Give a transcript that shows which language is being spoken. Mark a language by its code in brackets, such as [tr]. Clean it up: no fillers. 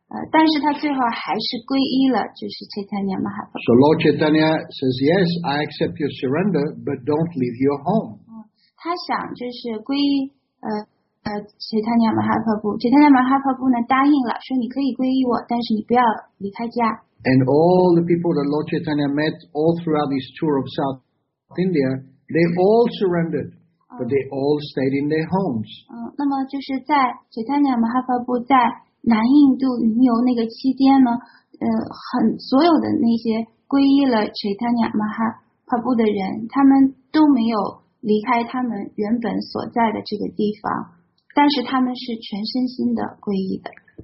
[zh] 但是他最后还是皈依了，就是齐坦尼马哈帕布。 [en] So Lord Chaitanya says, "Yes, I accept your surrender, but don't leave your home." [zh] 他想就是皈依齐坦尼马哈帕布，齐坦尼马哈帕布呢答应了，说你可以皈依我，但是你不要离开家。 [en] And all the people that Lord Chaitanya met all throughout his tour of South India, they all surrendered, but they all stayed in their homes. [zh] 那么就是在 Chaitanya Mahaprabhu 在南印度云游那个期间呢，所有的那些皈依了 Chaitanya Mahaprabhu 的人，他们都没有离开他们原本所在的这个地方，但是他们是全身心的皈依的。